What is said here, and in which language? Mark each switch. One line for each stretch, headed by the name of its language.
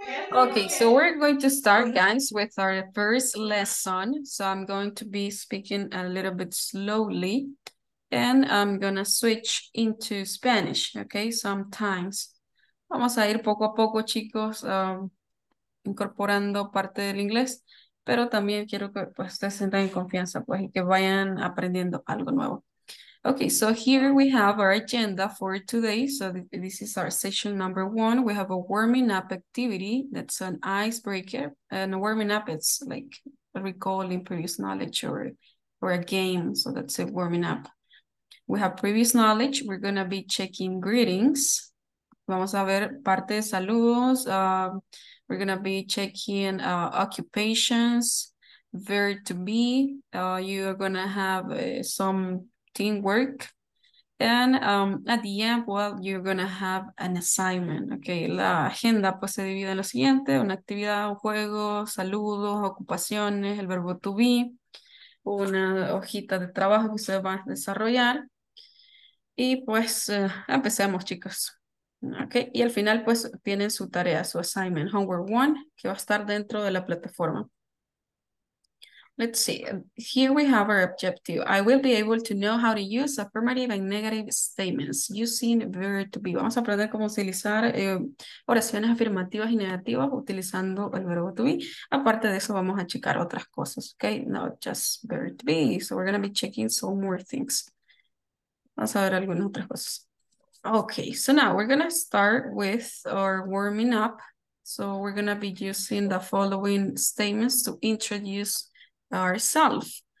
English: Okay, so we're going to start, guys, with our first lesson. So I'm going to be speaking a little bit slowly and I'm gonna switch into Spanish, okay? Sometimes.
Spanish: Vamos a ir poco a poco, chicos, incorporando parte del inglés, pero también quiero que pues se sientan en confianza, pues, y que vayan aprendiendo algo nuevo.
English: Okay, so here we have our agenda for today. So this is our session number one. We have a warming up activity. That's an icebreaker. And warming up, it's like recalling previous knowledge or a game. So that's a warming up. We have previous knowledge. We're going to be checking greetings.
Spanish: Vamos a ver parte de saludos.
English: We're going to be checking occupations, verb to be. You are going to have some teamwork, and at the end, well, you're gonna have an assignment.
Spanish: Okay, la agenda pues se divide en lo siguiente: una actividad, un juego, saludos, ocupaciones, el verbo to be, una hojita de trabajo que ustedes van a desarrollar, y pues empecemos, chicos. Okay, y al final pues tienen su tarea, su assignment, homework one, que va a estar dentro de la plataforma.
English: Let's see, here we have our objective. I will be able to know how to use affirmative and negative statements using verb to be.
Spanish: Vamos a aprender cómo utilizar oraciones afirmativas y negativas utilizando el verbo to be. Aparte de eso, vamos a checar otras cosas, okay?
English: Not just verb to be. So we're gonna be checking some more things.
Spanish: Vamos a ver algunas otras cosas.
English: Okay, so now we're gonna start with our warming up. So we're gonna be using the following statements to introduce ourselves.